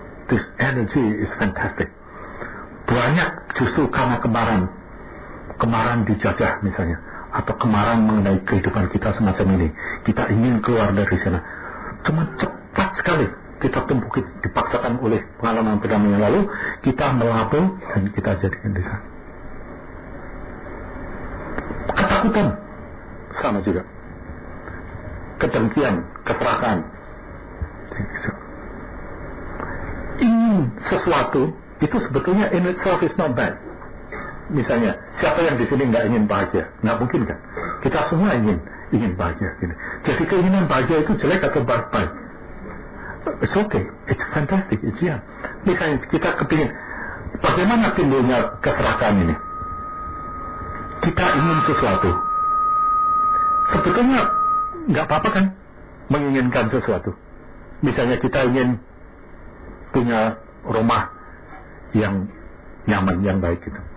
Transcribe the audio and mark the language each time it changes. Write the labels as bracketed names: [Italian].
[English] This energy is fantastic. [Indonesian] Banyak justru karena kemarahan, kemarahan dijajah misalnya, atau kemarahan mengenai kehidupan kita semacam ini, kita ingin keluar dari sana. Cuma cepat sekali kita tumpuk, dipaksakan oleh pengalaman pertama yang lalu, kita melabel dan kita jadikan di sana. Ketakutan sama juga, kedengkian, keserakahan. Ingin sesuatu itu sebetulnya [English] in itself is not bad. [Indonesian] Misalnya siapa yang di sini nggak ingin bahagia? Nggak mungkin kan? Kita semua ingin bahagia. Gini. Jadi keinginan bahagia itu jelek atau baik? [English] It's okay, it's fantastic, it's yeah. [Indonesian] Misalnya kita kepingin, bagaimana timbulnya keserakahan ini? Kita ingin sesuatu, sebetulnya nggak apa-apa kan menginginkan sesuatu. Misalnya kita ingin punya rumah yang nyaman, yang baik gitu.